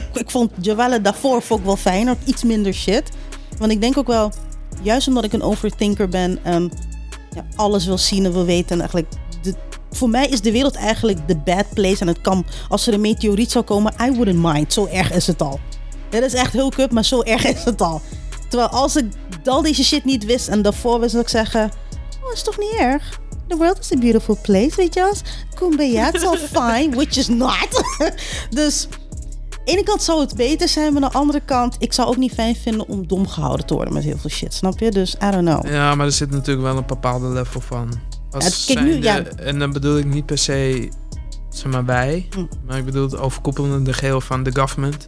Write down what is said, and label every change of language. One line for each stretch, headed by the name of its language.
Dutch: Ik vond Jawelle daarvoor ook wel fijner, iets minder shit. Want ik denk ook wel, juist omdat ik een overthinker ben en alles wil zien en wil weten en eigenlijk... Voor mij is de wereld eigenlijk de bad place en het kamp. Als er een meteoriet zou komen,
English: I wouldn't mind.
Dutch: Zo erg is het al. Dat is echt heel kut, maar zo erg is het al. Terwijl als ik al deze shit niet wist en daarvoor wist, zou ik zeggen... Oh, is toch niet erg?
English: The world is a beautiful place,
Dutch: weet je wel?
English: Kumbaya, it's all fine, which is not.
Dutch: Dus aan de ene kant zou het beter zijn, maar aan de andere kant... Ik zou ook niet fijn vinden om dom gehouden te worden met heel veel shit, snap je? Dus
English: I don't know.
Dutch: Ja, maar er zit natuurlijk wel een bepaalde level van... En dan bedoel ik niet per se, zeg maar wij, maar ik bedoel het overkoepelende geheel van de government.